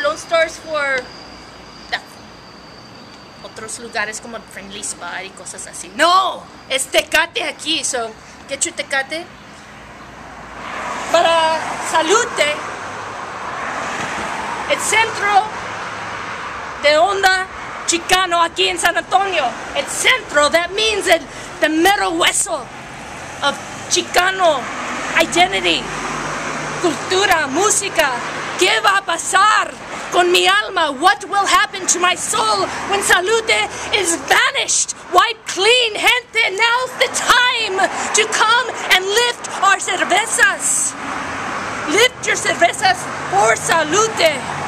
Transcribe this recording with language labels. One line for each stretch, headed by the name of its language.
English: Lone Star is for
Spanish: otros lugares como Friendly Spot y cosas así. No! Es Tecate aquí.
English: So, get your Tecate.
Spanish: Para Saluté. El centro de onda chicano aquí en San Antonio. El centro,
English: that means it, the metal hueso of chicano identity.
Spanish: Cultura, música, ¿qué va a pasar con mi alma?
English: What will happen to my soul when Saluté is vanished? Wipe clean,
Spanish: gente,
English: now's the time to come and lift our cervezas. Lift your cervezas for Saluté.